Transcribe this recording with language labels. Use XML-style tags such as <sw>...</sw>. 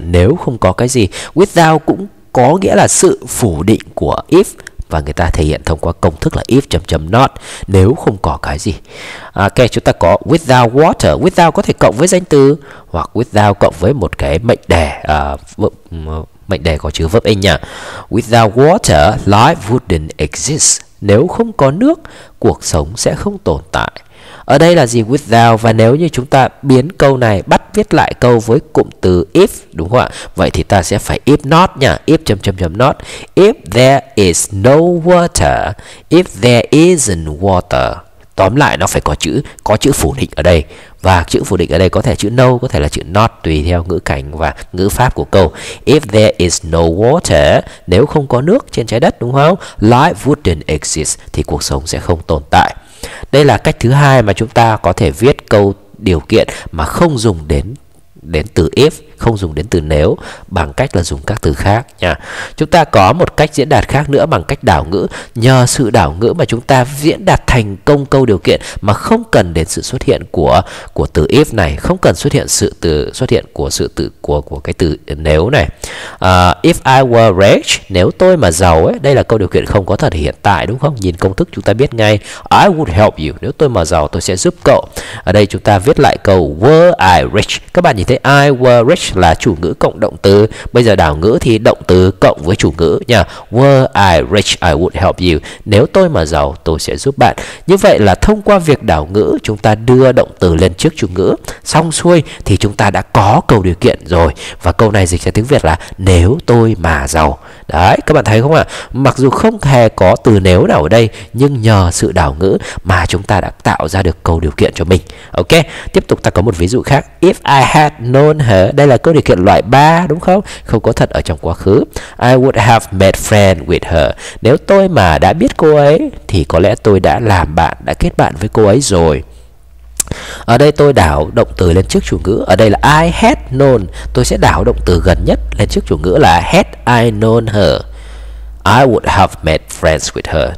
<vi>Nếu không có cái gì. Without cũng có nghĩa là sự phủ định của if, và người ta thể hiện thông qua công thức là if chấm chấm not, nếu không có cái gì. Ok, chúng ta có without water. Without có thể cộng với danh từ, hoặc without cộng với một cái mệnh đề, mệnh đề có chứa verb in nhỉ.</vi> <en>Without water, life wouldn't exist.</en> <vi>Nếu không có nước, cuộc sống sẽ không tồn tại. Ở đây là gì? Without. Và nếu như chúng ta biến câu này, bắt viết lại câu với cụm từ if, đúng không ạ? Vậy thì ta sẽ phải if not nha. If chấm chấm chấm not.</vi> <en>If there is no water, if there isn't water.</en> <vi>Tóm lại nó phải có chữ phủ định ở đây. Và chữ phủ định ở đây có thể chữ no, có thể là chữ not, tùy theo ngữ cảnh và ngữ pháp của câu.</vi> <en>If there is no water,</en> <vi>nếu không có nước trên trái đất, đúng không?</vi> <en>Life wouldn't exist,</en> <vi>thì cuộc sống sẽ không tồn tại. Đây là cách thứ hai mà chúng ta có thể viết câu điều kiện mà không dùng đến từ if, không dùng đến từ nếu, bằng cách là dùng các từ khác nha. Chúng ta có một cách diễn đạt khác nữa bằng cách đảo ngữ. Nhờ sự đảo ngữ mà chúng ta diễn đạt thành công câu điều kiện mà không cần đến sự xuất hiện của từ if này, không cần xuất hiện của cái từ nếu này.</vi> <en>If I were rich,</en> <vi>nếu tôi mà giàu ấy, đây là câu điều kiện không có thật hiện tại, đúng không? Nhìn công thức chúng ta biết ngay</vi> <en>I would help you,</en> <vi>nếu tôi mà giàu tôi sẽ giúp cậu. Ở đây chúng ta viết lại câu</vi> <en>were I rich.</en> <vi>Các bạn nhìn thấy</vi> <en>I were rich</en> <vi>là chủ ngữ cộng động từ. Bây giờ đảo ngữ thì động từ cộng với chủ ngữ nha.</vi> <en>Were I rich, I would help you.</en> <vi>Nếu tôi mà giàu, tôi sẽ giúp bạn. Như vậy là thông qua việc đảo ngữ, chúng ta đưa động từ lên trước chủ ngữ. Xong xuôi thì chúng ta đã có câu điều kiện rồi. Và câu này dịch ra tiếng Việt là nếu tôi mà giàu. Đấy, các bạn thấy không ạ? Mặc dù không hề có từ nếu nào ở đây, nhưng nhờ sự đảo ngữ mà chúng ta đã tạo ra được câu điều kiện cho mình. Ok, tiếp tục ta có một ví dụ khác.</vi> <en>If I had known her,</en> <vi>đây là câu điều kiện loại 3, đúng không? Không có thật ở trong quá khứ.</vi> <en>I would have made friends with her.</en> <vi>Nếu tôi mà đã biết cô ấy, thì có lẽ tôi đã làm bạn, đã kết bạn với cô ấy rồi. Ở đây tôi đảo động từ lên trước chủ ngữ. Ở đây là</vi> <en>I had known.</en> <vi>Tôi sẽ đảo động từ gần nhất lên trước chủ ngữ là</vi> <en>had I known her, I would have made friends with her.</en>